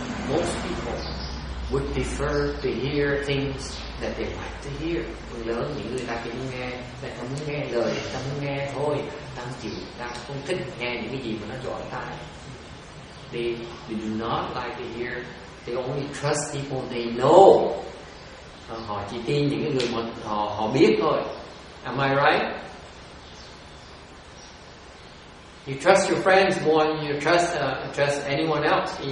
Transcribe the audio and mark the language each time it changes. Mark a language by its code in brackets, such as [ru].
[en] Most people would prefer to hear things that they like to hear. [vi] Phần lớn những người ta chỉ muốn nghe, là ta muốn nghe lời, ta muốn nghe thôi, ta không chịu, ta không thích nghe những cái gì mà nó dọa tai. [en] They do not like to hear. They only trust people they know. [vi] Họ chỉ tin những cái người mà họ biết thôi. [en] Am I right? You trust your friends more than you trust anyone else.